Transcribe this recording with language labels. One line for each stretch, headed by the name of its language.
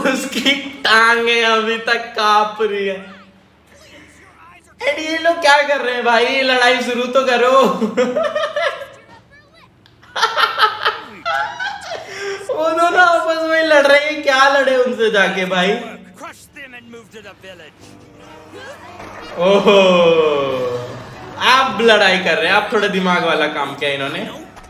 Hindi: उसकी टांगें अभी तक कांप रही हैं। एंड ये लोग क्या कर रहे हैं भाई? लड़ाई शुरू तो करो। वो दोनों आपस में लड़ रहे हैं, क्या लड़े उनसे जाके भाई?
English: Crush them and move to the village. Oh.
Hindi: आप लड़ाई कर रहे हैं, आप थोड़ा दिमाग वाला काम किया इन्होंने।